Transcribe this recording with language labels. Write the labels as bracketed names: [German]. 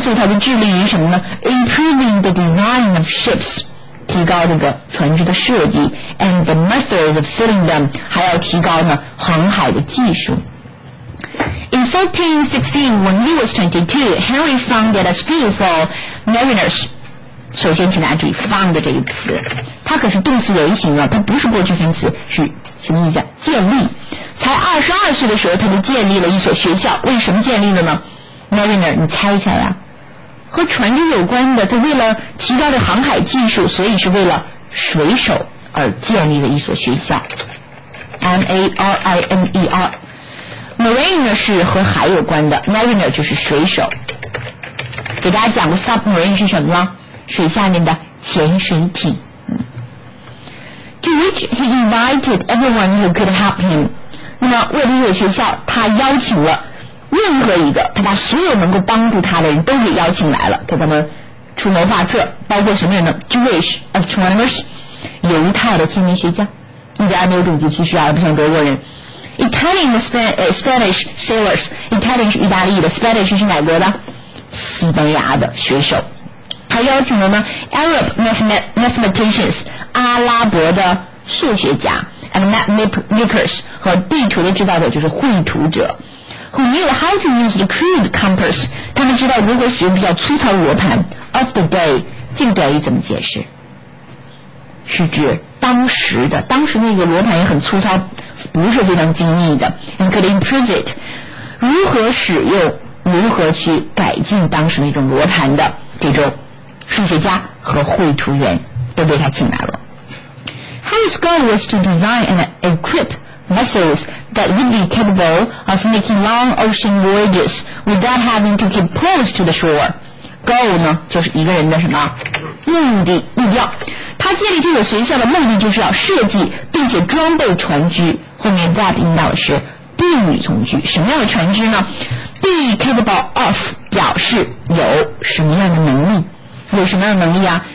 [Chinese] 所以他就致力于什么呢？ [English] Improving the design of ships， [Chinese] 提高这个船只的设计。 [English] And the methods of sailing them， [Chinese] 还要提高呢航海的技术。 [English] In 1416, when he was 22, Harry founded a school for mariners. [Chinese] 首先请大家注意 found 这一词，它可是动词原形啊，它不是过去分词，是什么意思啊？建立。才22岁的时候，他就建立了一所学校。为什么建立的呢？ Mariner， 你猜一猜啊，和船只有关的，他为了提高的航海技术，所以是为了水手而建立了一所学校。 M-A-R-I-N-E-R，Mariner 是和海有关的， Mariner 就是水手。给大家讲过 Submarine 是什么呢？水下面的潜水艇。 [English] To which he invited everyone who could help him。 [Chinese] 那么为了这个学校，他邀请了任何一个，他把所有能够帮助他的人都给邀请来了，给他们出谋划策。包括什么人呢？ [English] Jewish astronomers， [Chinese] 犹太的天文学家。你的爱没有种族歧视啊，不像德国人。 [English] Italian Spanish sailors， [Chinese] Italian 是意大利的， Spanish 是哪国的？西班牙的水手。还邀请了呢 [English] Arab mathematicians， [Chinese] 阿拉伯的数学家， [English] and map makers， [Chinese] 和地图的制造者，就是绘图者。 [English] Who knew how to use the crude compass， [Chinese] 他们知道如何使用比较粗糙的罗盘。 [English] Of the day， [Chinese] 近代语怎么解释？是指当时的，当时那个罗盘也很粗糙，不是非常精密的。 [English] And could improve it， [Chinese] 如何使用，如何去改进当时那种罗盘的，这种数学家和绘图员都被他请来了。 [English] Harry's goal was to design and equip vessels that would be capable of making long ocean voyages without having to keep close to the shore。 [Chinese] Goal 呢就是一个人的什么目的，目标。他建立这个学校的目的就是要设计并且装备船只，后面 that 引导的是定语从句。什么样的船只呢？ [English] Be capable of [Chinese] 表示有什么样的能力，有什么样的能力啊？